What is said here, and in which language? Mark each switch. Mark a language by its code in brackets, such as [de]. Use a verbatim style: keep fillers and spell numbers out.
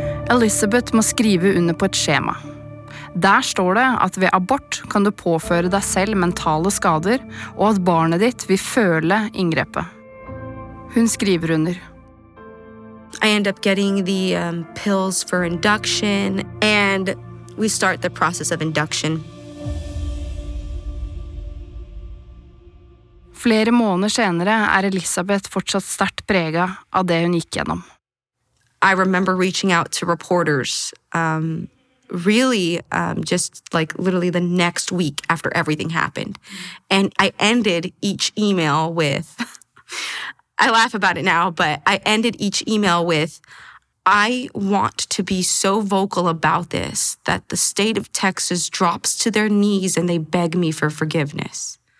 [no] Elisabeth må skrive under på et skjema. Der står det at ved abort kan du påføre deg selv mentale skader, og at barnet ditt vil føle inngrepet. Hun skriver under. [en] I end up getting the um, pills for induction, and we start the process of induction. [no] Flere måneder senere er Elisabeth fortsatt sterkt preget av det hun gikk gjennom. [en] I remember reaching out to reporters, um, really um, just like literally the next week after everything happened. And I ended each email with... I laugh about it now, but I ended each email with, I want to be so vocal about this that the state of Texas drops to their knees and they beg me for forgiveness.